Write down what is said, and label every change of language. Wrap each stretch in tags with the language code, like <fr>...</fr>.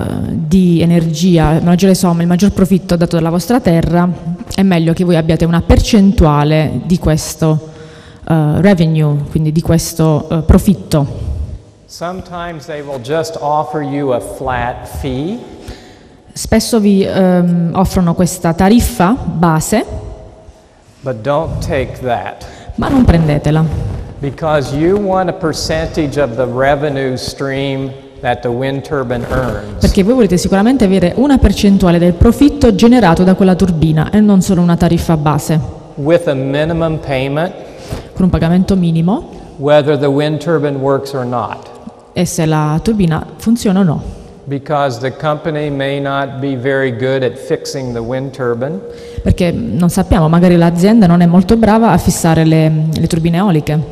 <it>di energia, maggiore somma, il maggior profitto dato dalla vostra terra, è meglio che voi abbiate una percentuale di questo revenue, quindi di questo profitto.</it> <en>Sometimes they will just offer you a flat fee.</en> <it>Spesso vi offrono questa tariffa base,</it> <en>but don't take that.</en> <it>Ma non prendetela.</it> <en>Because you want a percentage of the revenue stream that the wind turbine earns.</en> <it>Perché voi volete sicuramente avere una percentuale del profitto generato da quella turbina e non solo una tariffa base.</it> <en>With a minimum payment,</en> <it>con un pagamento minimo,</it> <en>whether the wind turbine works or not.</en> <it>E se la turbina funziona o no.</it> <en>Because the company may not be very good at fixing the wind turbine.</en> <it>Perché non sappiamo, magari l'azienda non è molto brava a fissare le turbine eoliche.</it>